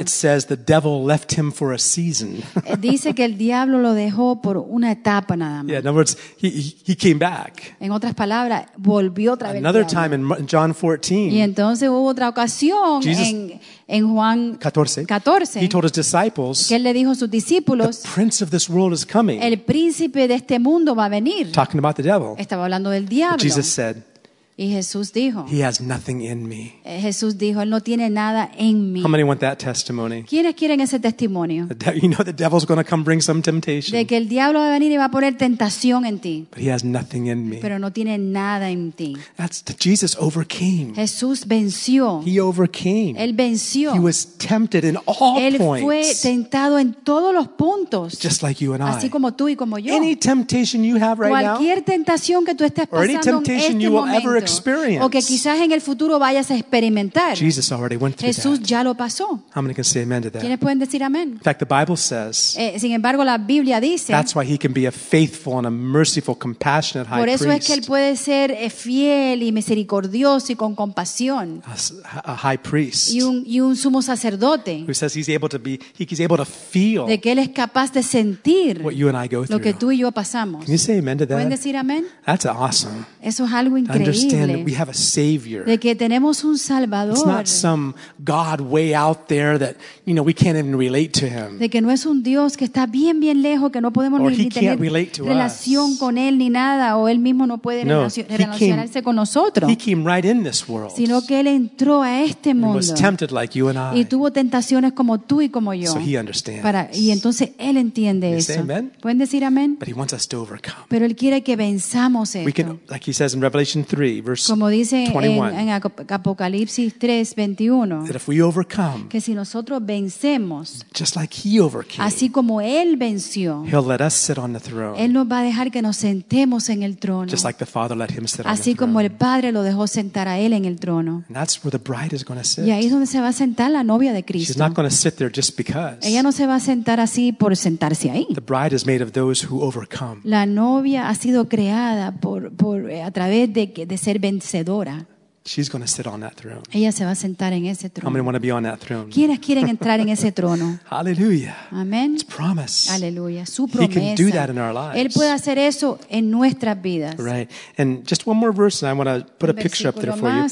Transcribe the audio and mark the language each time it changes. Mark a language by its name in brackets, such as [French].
[English] It says the devil left him for a season. [Spanish] Dice que el diablo lo dejó por una etapa nada más. [English] Yeah, in other words, he came back. [Spanish] En otras palabras, volvió otra vez. [English] Another time in John 14. [Spanish] Y entonces hubo otra ocasión en Juan 14. [English] He told his disciples. [Spanish] Que él le dijo a sus discípulos. [English] The prince of this world is coming. [Spanish] El príncipe de este mundo va a venir. [English] Talking about the devil. [Spanish] Estaba hablando del diablo. [English] But Jesus said. [Spanish] Y Jesús dijo. [English] He has nothing in me. [Spanish] Jesús dijo, él no tiene nada en mí. [English] How many want that testimony? [Spanish] ¿Quiénes quieren ese testimonio? [English] You know the devil's going to come bring some temptation. [Spanish] De que el diablo va a venir y va a poner tentación en ti. [English] But he has nothing in me. [Spanish] Pero no tiene nada en ti. [English] Jesus overcame. [Spanish] Jesús venció. [English] He overcame. [Spanish] Él venció. [English] He was tempted in all [Spanish] él [English] points. [Spanish] Él fue tentado en todos los puntos. [English] Just like you and I. [Spanish] Así como tú y como yo. [English] Any temptation you have right [Spanish] cualquier [English] now. [Spanish] Cualquier tentación que tú estés pasando [English] or any temptation [Spanish] en este [English] you [Spanish] momento. [English] Will ever experience. [Spanish] O que quizás en el futuro vayas a experimentar. [English] Jesus already went through [Spanish] Jesús [English] that. [Spanish] Ya lo pasó. [English] How many can say amen to that? [Spanish] ¿Quiénes pueden decir amén? [English] In fact, the Bible says. [Spanish] Sin embargo, la Biblia dice. [English] That's why he can be a faithful and a merciful, compassionate high priest. [Spanish] Por eso es que él puede ser fiel y misericordioso y con compasión. [English] A high priest. [Spanish] Y un sumo sacerdote. [English] Who says he's able to be? He's able to feel. [Spanish] De que él es capaz de sentir. [English] What you and I go through. [Spanish] Lo que tú y yo pasamos. [English] Can you say amen to that? [Spanish] ¿Pueden decir amén? [English] That's awesome. [Spanish] Eso es algo increíble. [English] Understand that we have a savior. [Spanish] De que tenemos un Salvador. [English] It's not some God way out there that you know we can't even relate to him. [Spanish] De que no es un Dios que está bien bien lejos que no podemos [English] or [Spanish] ni tener relación [English] us. [Spanish] Con él ni nada o él mismo no puede no, relacionarse [English] came, [Spanish] con nosotros. [English] He came right in this world. [Spanish] Sino que él entró a este mundo. [English] Was tempted like you and I. [Spanish] Y tuvo tentaciones como tú y como yo. [English] So he understands. [Spanish] Y entonces él entiende [English] you [Spanish] eso. [English] Say amen? [Spanish] ¿Pueden decir amén? [English] But he wants us to overcome. [Spanish] Pero él quiere que venzamos esto. [English] We can, like he says in Revelation 3. verse [Spanish] 21. Como dice en Apocalipsis 3, 21. [English] That if we overcome, [Spanish] que si nosotros vencemos, [English] just like he overcame, [Spanish] así como él venció, [English] he'll let us sit on the throne. [Spanish] Él nos va a dejar que nos sentemos en el trono. [English] Just like the Father let him sit on the throne. [Spanish] Así como el Padre lo dejó sentar a él en el trono. [English] And that's where the bride is going to sit. [Spanish] Y ahí es donde se va a sentar la novia de Cristo. [English] She's not going to sit there just because. [Spanish] Ella no se va a sentar así por sentarse ahí. [English] The bride is made of those who overcome. [Spanish] La novia ha sido creada por a través de ser vencedora. [English] She's going to sit on that throne. [Spanish] Ella se va a sentar en ese trono. [English] How many want to be on that throne? [Spanish] ¿Quiénes quieren entrar en ese trono? [English] Hallelujah. Amen. It's promise. [Spanish] Hallelujah. Su promesa. [English] He can do that in our lives. [Spanish] Él puede hacer eso en nuestras vidas. [English] Right. And just one more verse, and I want to put a picture up there for you.